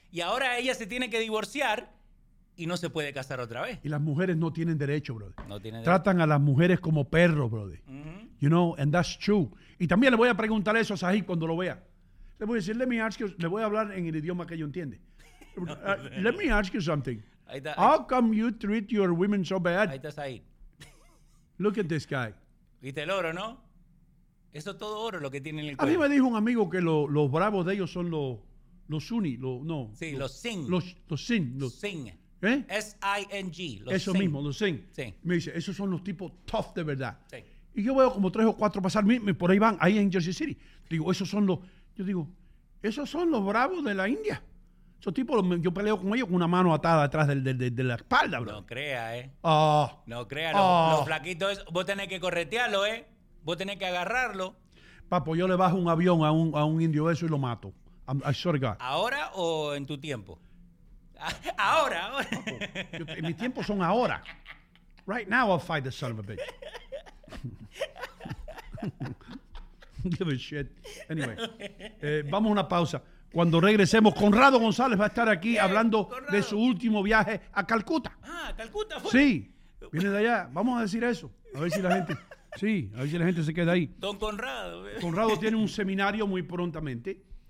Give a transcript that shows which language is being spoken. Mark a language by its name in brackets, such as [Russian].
[Spanish] Y ahora ella se tiene que divorciar y no se puede casar otra vez. Y las mujeres no tienen derecho, brother. No tienen derecho. Tratan a las mujeres como perros, brother. Uh-huh. [English] You know, and that's true. [Spanish] Y también le voy a preguntar eso a Sahib cuando lo vea. Le voy a decir, le voy a hablar en el idioma que ellos entienden. [English] Let me ask you something. How come you treat your women so bad? [Spanish] Ahí está Said. [English] Look at this guy. [Spanish] Viste el oro, ¿no? Eso es todo oro lo que tiene en el cuerpo. A mí me dijo un amigo que los bravos de ellos son los Sunni. Los Singh. Los Singh. ¿Eh? S-I-N-G. Los Singh. Sí. Me dice, esos son los tipos tough de verdad. Sí. Y yo veo como 3 o 4 pasar por ahí van, ahí en Jersey City. Digo, esos son los... Yo digo, esos son los bravos de la India. Esos tipos, yo peleo con ellos con una mano atada atrás de la espalda, bro. No crea, ¿eh? Oh. No crea, oh. Los flaquitos, vos tenés que corretearlo, ¿eh? Vos tenés que agarrarlo. Papo, yo le bajo un avión a un indio eso y lo mato. [English] I swear to God. [Spanish] ¿Ahora o en tu tiempo? Ahora. Papo, mis tiempos son ahora. [English] Right now I'll fight the son of a bitch. Give a shit. Anyway, [Spanish] vamos a una pausa. Cuando regresemos, Conrado González va a estar aquí hablando de su último viaje a Calcuta. Ah, Calcuta fue. Sí. Viene de allá. Vamos a decir eso. A ver si la gente... Sí, a ver si la gente se queda ahí. Don Conrado. Conrado tiene un seminario muy prontamente.